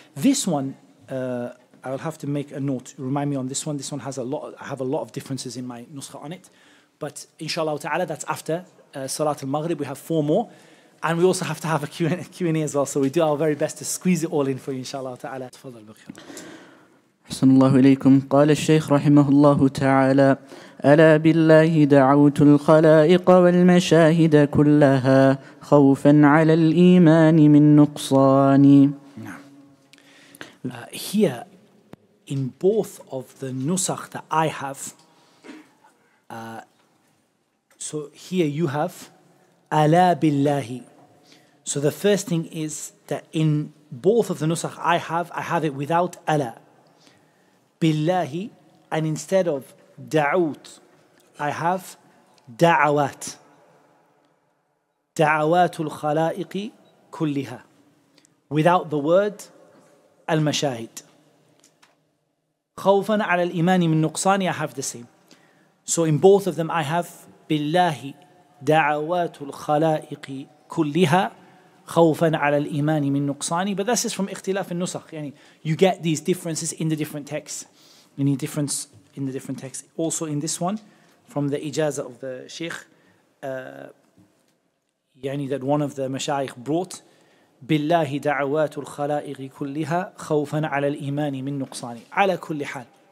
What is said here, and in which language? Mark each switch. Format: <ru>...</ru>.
<en>This one, I'll have to make a note. Remind me on this one. This one has a lot of differences in my nuskha on it. But inshaAllah ta'ala, that's after Salat al-Maghrib. We have four more. And we also have to have a Q&A as well. So we do our very best to squeeze it all in for you, inshaAllah ta'ala.</en> <ar>Tafadhal bukhir. أحسن الله إليكم. قال الشيخ رحمه الله تعالى: ألا بالله دعوت الخلائق والمشاهد كلها خوفا على الإيمان من نقصان.</ar> <en>Here, in both of the nusakh that I have, so here you have ألا بالله. So the first thing is that in both of the nusakh I have it without ألا. Billahi, and instead of da'ut, I have da'awat.</en> <ar>Da'awatul khala'iqi kulliha.</ar> <en>Without the word al-mashahid.</en> <ar>Khawfan ala al-imani min nuqsani,</ar> <en>I have the same. So in both of them I have</en> <ar>بِاللَّهِ دَعَوَاتُ الْخَلَائِقِ كُلِّهَا خَوْفًا عَلَى الْإِيمَانِ مِنْ نُقْصَانِ.</ar> <en>But this is from</en> <ar>اختلاف النسخ.</ar> <en>يعني you get these differences in the different texts. Any difference in the different texts? Also in this one, from the ijazah of the sheikh, يعني that one of the mashayikh brought</en> <ar>بِاللَّهِ دَعَوَاتُ الْخَلَائِقِ كُلِّهَا خَوْفًا عَلَى الْإِيمَانِ مِنْ نُقْصَانِ عَلَى كُلِّ حَالٍ.</ar>